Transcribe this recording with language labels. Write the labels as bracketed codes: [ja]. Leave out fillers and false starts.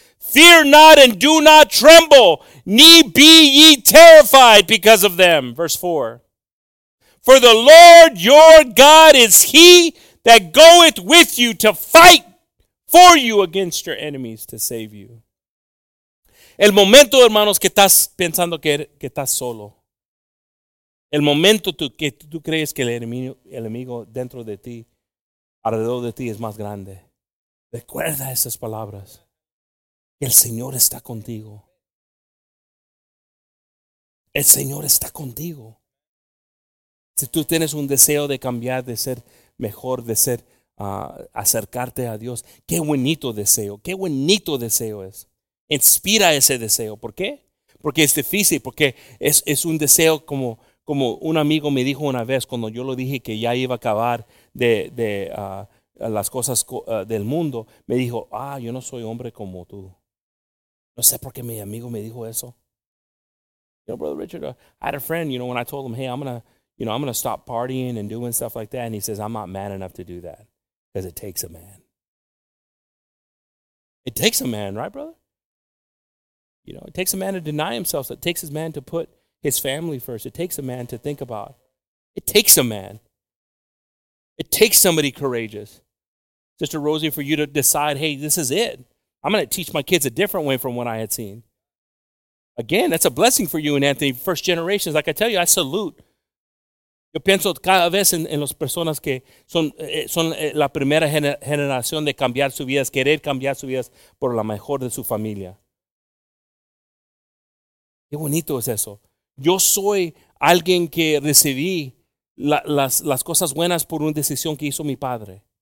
[en] Fear not and do not tremble, ne be ye terrified because of them. Verse 4. For the Lord your God is he that goeth with you to fight for you against your enemies to save you. [es] El momento, hermanos, que estás pensando que estás solo. El momento que tú crees que el enemigo dentro de ti, alrededor de ti, es más grande. Recuerda esas palabras. El Señor está contigo. El Señor está contigo. Si tú tienes un deseo de cambiar, de ser mejor, de ser acercarte a Dios, qué bonito deseo. Qué bonito deseo es. Inspira ese deseo. ¿Por qué? Porque es difícil. Porque es un deseo como un amigo me dijo una vez cuando yo lo dije que ya iba a acabar de las cosas del mundo. Me dijo, yo no soy hombre como tú. No sé por qué mi amigo me dijo eso. [en] You know, Brother Richard, I had a friend, you know, when I told him, hey, I'm gonna stop partying and doing stuff like that. And he says, I'm not man enough to do that because it takes a man. It takes a man, right, brother? You know, it takes a man to deny himself. It takes a man to put his family first. It takes a man to think about. It takes a man. It takes somebody courageous. Sister Rosie, for you to decide, hey, this is it. I'm going to teach my kids a different way from what I had seen. Again, that's a blessing for you and Anthony, first generations. Like I tell you, I salute [es] Yo pienso cada vez en las personas que son la primera generación de cambiar su vida, querer cambiar su vida por la mejor de su familia. Qué bonito es eso. Yo soy alguien que recibí las cosas buenas por una decisión que hizo mi padre.